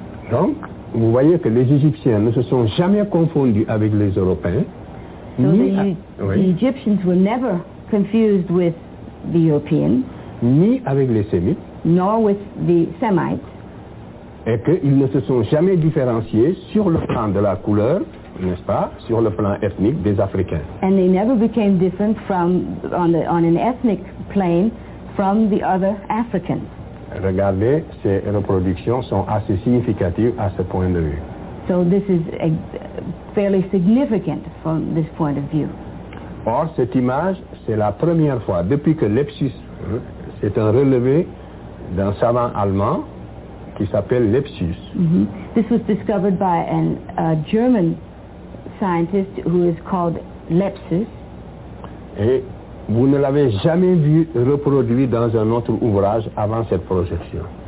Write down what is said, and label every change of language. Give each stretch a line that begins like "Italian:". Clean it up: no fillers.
French: Donc, vous voyez que les Égyptiens ne se sont jamais confondus avec les Européens.
English: So the Egyptians were never confused with the Europeans,
French: ni avec les Sémites,
English: nor with the Semites,
French: et qu'ils ne se sont jamais différenciés sur le plan de la couleur, n'est-ce pas, sur le plan ethnique des Africains.
English: And they never became different from on an ethnic plane from the other Africans.
French: Regardez, ces reproductions sont assez significatives à ce point de vue.
English: So this is fairly significant from this point of view.
French: Or, cette image, c'est la première fois depuis que Lepsius, c'est un relevé d'un savant allemand qui s'appelle Lepsius. Mm-hmm.
English: This was discovered by a German scientist who is called Lepsius.
French: Et vous ne l'avez jamais vu reproduit dans un autre ouvrage avant cette projection.